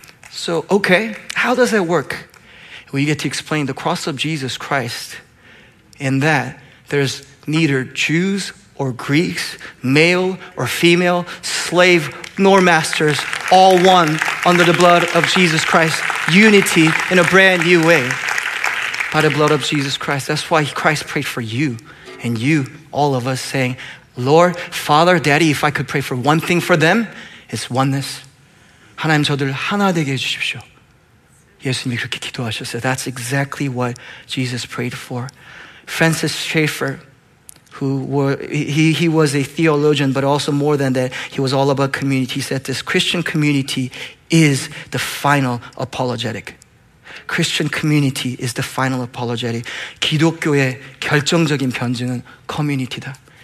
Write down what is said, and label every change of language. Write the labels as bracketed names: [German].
[English] So, okay, how does that work? Well, you get to explain the cross of Jesus Christ in that there's neither Jews or Greeks, male or female, slave nor masters, all one under the blood of Jesus Christ, unity in a brand new way. By the blood of Jesus Christ. That's why Christ prayed for you and you, all of us, saying, Lord, Father, Daddy, if I could pray for one thing for them, it's oneness. [Korean] 하나님 저들 하나 되게 해주십시오. 예수님이 그렇게 기도하셨어요. [English] That's exactly what Jesus prayed for. Francis Schaeffer, he was a theologian, but also more than that, he was all about community. He said this Christian community is the final apologetic. Christian community is the final apologetic. [Korean] 기독교의 결정적인 변증은 community다.